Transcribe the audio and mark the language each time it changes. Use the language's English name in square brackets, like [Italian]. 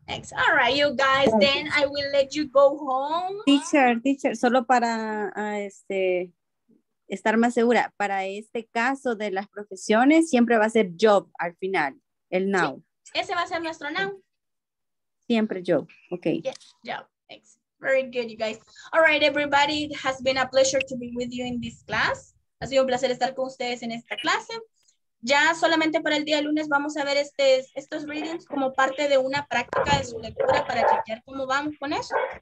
[English] All right, you guys, then I will let you go home. [Spanish] Teacher, solo para estar más segura, para este caso de las profesiones, siempre va a ser job al final, el now. Sí. Ese va a ser nuestro now. Siempre job, okay. [English] Yeah, job, thanks. Very good, you guys. All right, everybody, it has been a pleasure to be with you in this class. [Spanish] Ha sido un placer estar con ustedes en esta clase. Ya solamente para el día lunes vamos a ver estos readings como parte de una práctica de su lectura para chequear cómo vamos con eso.